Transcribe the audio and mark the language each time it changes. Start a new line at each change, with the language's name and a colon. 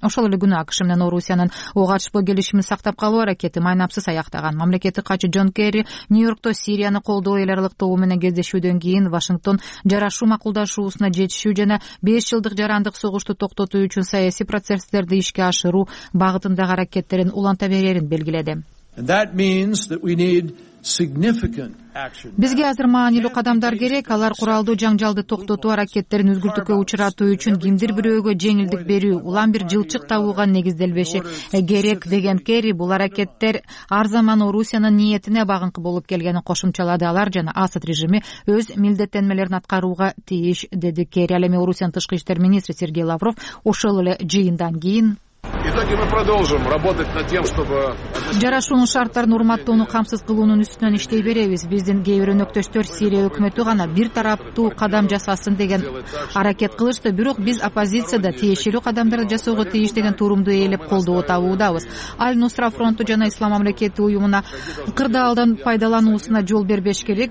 Kyrgyz: Ошол эле күнү АКШ менен Орусиянын ок атышпоо келишимин сактап калуу аракети майнапсыз аяктаган. Мамлекеттик катчы Джон Керри Нью-Йоркто Сирияны колдоо эл аралык тобу менен кездешүүдөн кийин Вашингтон жарашуу макулдашуусуна жетишүү жана 5 жылдык жарандык согушту токтотуу үчүн саясий процесстерди ишке ашыруу багытындагы аракеттерин уланта берерин белгиледи.
English: That means that we need significant action.
Kyrgyz: Бизге азыр маанилүү кадамдар керек. Алар куралдуу жаңжалды токтотуу аракеттерин үзгүлтүккө учуратуу үчүн кимдир бирөөгө жеңилдик берүү, улам бир жылчык табууга негизделбеши керек, деген Керри. Бул аракеттер ар заман Орусиянын ниетине багынкы болуп келгенин кошумчалады. Алар жана Асад режими өз милдеттенмелерин аткарууга тийиш, деди Керри. Ал эми Орусиянын тышкы иштер министри Сергей Лавров ошол эле жыйындан кийин:
Russian: Итак, мы продолжим работать над тем, чтобы
Kyrgyz: жарашуунун шарттарын урматтоону камсыз кылуунун үстүнөн иштей беребиз. Биздин кээ бир өнөктөштөр Сирия өкмөтү гана бир тараптуу кадам жасасын деген аракет кылышты, бирок биз оппозицияда тиешелүү кадамдарды жасоого тийиш деген туурумду ээлеп колдоо табуудабыз. Аль Нусра фронту жана Ислам мамлекети уюмуна кырдаалдан пайдалануусуна жол бербеш керек.